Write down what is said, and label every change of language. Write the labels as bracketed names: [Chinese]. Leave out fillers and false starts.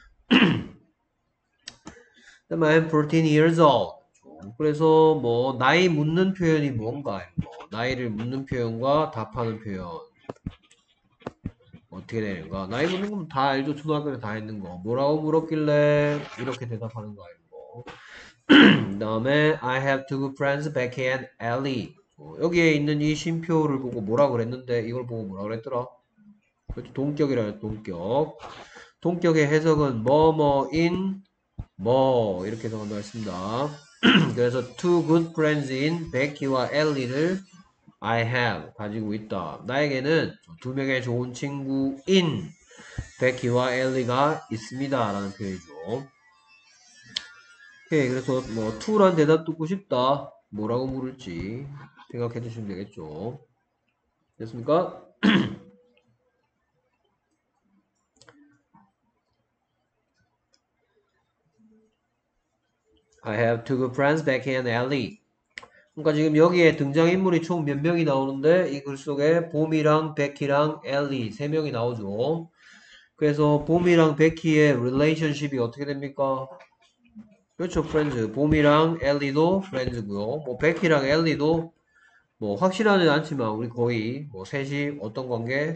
[English] I'm 14 years old. [Korean] 그래서 뭐 나이 묻는 표현이 뭔가? 뭐 나이를 묻는 표현과 답하는 표현 어떻게 되는가? 나이 묻는 건다 알죠. 초등학교에 다 했는 거. 뭐라고 물었길래 이렇게 대답하는 거 아니고. 그다음에 [English] I have two friends, Becky and Ellie. [Korean] 여기에 있는 이 쉼표를 보고 뭐라고 그랬는데 이걸 보고 뭐라고 그랬더라? 그렇죠. 동격이라 동격. 동격의 해석은 뭐뭐인 뭐 이렇게 해석한다고 했습니다. 그래서 [English] two good friends in [Korean] 베키와 엘리를 [English] I have [Korean] 가지고 있다. 나에게는 두 명의 좋은 친구 in 베키와 엘리가 있습니다. 라는 표현이죠. 오케이, 그래서 뭐 two란 대답 듣고 싶다. 뭐라고 물을지 생각해 주시면 되겠죠. 됐습니까? [English] I have two good friends, Becky and Ellie. [Korean] 그러니까 지금 여기에 등장인물이 총몇 명이 나오는데, 이글 속에 봄이랑 베키랑 엘리 세 명이 나오죠. 그래서 봄이랑 베키의 릴레이션십이 어떻게 됩니까? 그렇죠, 프렌즈. 봄이랑 엘리도 프렌즈고요. 뭐 베키랑 엘리도 뭐 확실하진 않지만 우리 거의 뭐 셋이 어떤 관계?